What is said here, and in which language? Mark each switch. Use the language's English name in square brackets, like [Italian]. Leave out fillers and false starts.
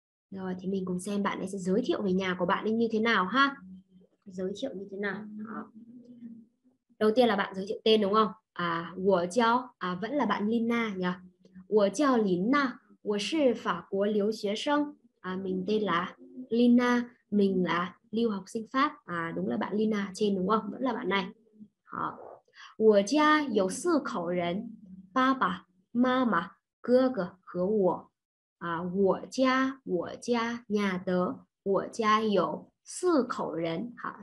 [Vietnamese] Rồi thì mình cùng xem bạn ấy sẽ giới thiệu về nhà của bạn ấy như thế nào ha. Giới thiệu như thế nào? Đó. Đầu tiên là bạn giới thiệu tên đúng không? À, vẫn là bạn Lina nhỉ. [Chinese] Lina,我是法国留学生. [Vietnamese] À, mình tên là Lina, mình là lưu học sinh Pháp. À, đúng là bạn Lina trên đúng không? Vẫn là bạn này. Họ. [Chinese] 我家有四口人, ba ba, mama, ge ge和我. À, 我家, [Vietnamese] nhà tớ, [Chinese] 我家有四口人, hả?